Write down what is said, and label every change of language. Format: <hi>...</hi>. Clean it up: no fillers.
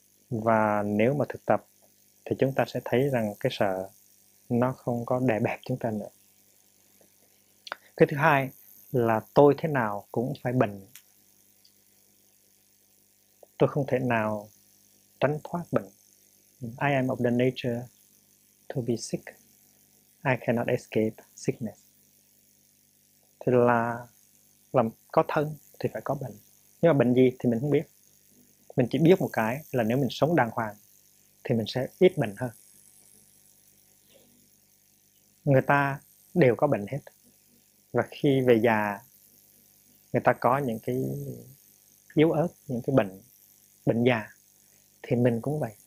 <vi>Và nếu mà thực tập thì chúng ta sẽ thấy rằng cái sợ nó không có đè bẹp chúng ta nữa. Cái thứ hai là tôi thế nào cũng phải bệnh. Tôi không thể nào tránh thoát bệnh.</vi> <en>I am of the nature to be sick. I cannot escape sickness.</en> <vi>Thì là có thân thì phải có bệnh. Nhưng mà bệnh gì thì mình không biết. Mình chỉ biết một cái là nếu mình sống đàng hoàng thì mình sẽ ít bệnh hơn. Người ta đều có bệnh hết. Và khi về già, người ta có những cái yếu ớt, những cái bệnh bệnh già thì mình cũng vậy.</vi>